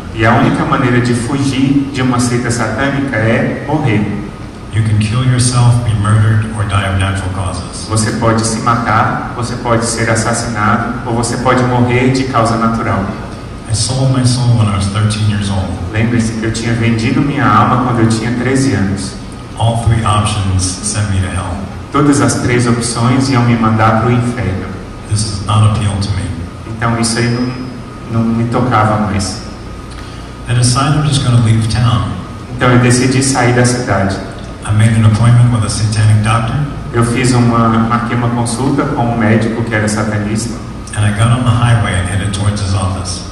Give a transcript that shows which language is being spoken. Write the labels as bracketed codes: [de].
[pt] E a única maneira de fugir de uma seita satânica é morrer. [en] You can kill yourself, be murdered, or die of natural causes. [pt] Você pode se matar, você pode ser assassinado, ou você pode morrer de causa natural. [en] I sold my soul when I was 13 years old. [pt] Lembre-se que eu tinha vendido minha alma quando eu tinha 13 anos. [en] All three options sent me to hell. [pt] Todas as três opções iam me mandar para o inferno. [en] This is not appealing to me. [pt] Então isso aí não me tocava mais. [en] I decided I'm just going to leave town. [pt] Então eu decidi sair da cidade. [en] I made an appointment with a satanic doctor. [pt] Eu fiz marquei uma consulta com um médico que era satanista. [en] And I got on the highway and headed towards his office.